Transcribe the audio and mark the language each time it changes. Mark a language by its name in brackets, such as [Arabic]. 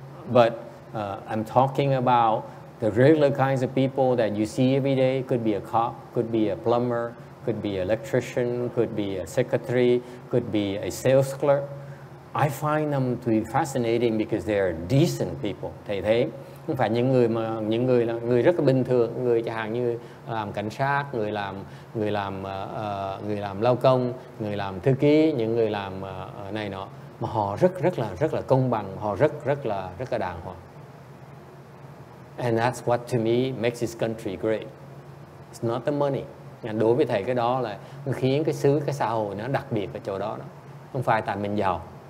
[English] But I'm talking about the regular kinds of people that you see every day. Could be a cop, could be a plumber, could be an electrician, could be a secretary, could be a sales clerk. I find them to be fascinating because they are decent people. [Vietnamese] Thầy thấy không phải những người mà những người là người rất là bình thường, người chẳng hạn như làm cảnh sát, người làm lao công, người làm thư ký, những người làm này nọ, mà họ rất là công bằng, họ rất là đàng hoàng. [English] And that's what to me makes this country great. It's not the money. [Vietnamese] And đối với thầy cái đó là khiến cái xứ cái xã hội nó đặc biệt ở chỗ đó. Không phải tại mình giàu.